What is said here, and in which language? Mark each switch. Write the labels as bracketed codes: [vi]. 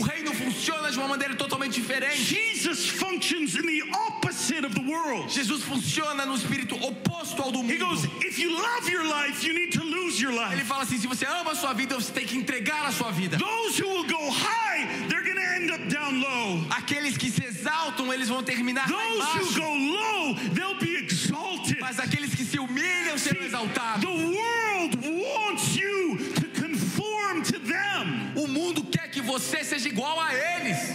[pt] O reino funciona de uma maneira totalmente diferente. [en] Jesus functions in the opposite of the world. [pt] Jesus funciona no espírito oposto ao do mundo. [en] He goes, if you love your life, you need to lose your life. [pt] Ele fala assim, se você ama a sua vida, você tem que entregar a sua vida. [en] Those who will go high, they're going to end up down low. [pt] Aqueles que se exaltam, eles vão terminar lá embaixo. [en] Those who go low, they'll be exalted. [pt] Mas aqueles que se humilham serão exaltados. [en] The world wants you to conform to them. [pt] O mundo quer que você seja igual a eles.